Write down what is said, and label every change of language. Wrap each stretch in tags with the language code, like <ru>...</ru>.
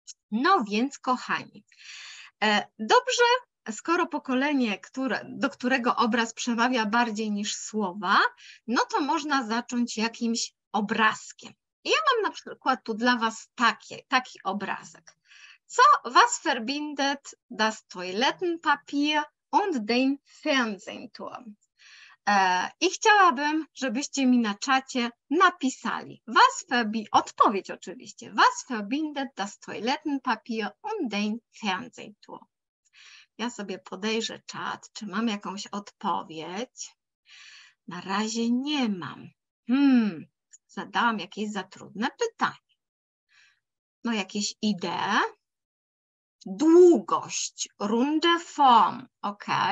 <pl>No więc, kochani, dobrze, skoro pokolenie, do którego obraz przemawia bardziej niż słowa, no to można zacząć jakimś obrazkiem. Ja mam na przykład tu dla Was taki obrazek.</pl> <de>Co was verbindet das Toilettenpapier und den Fernsehturm?</de> <pl>I chciałabym, żebyście mi na czacie napisali. Odpowiedź oczywiście.</pl> <de>Was verbindet das Toilettenpapier und den Fernsehturm?</de> <pl>Ja sobie podejrzę czat, czy mam jakąś odpowiedź. Na razie nie mam. Zadałam jakieś za trudne pytanie. No jakieś idee? Długość,</pl> <de>runde form,</de> <pl>ok.</pl>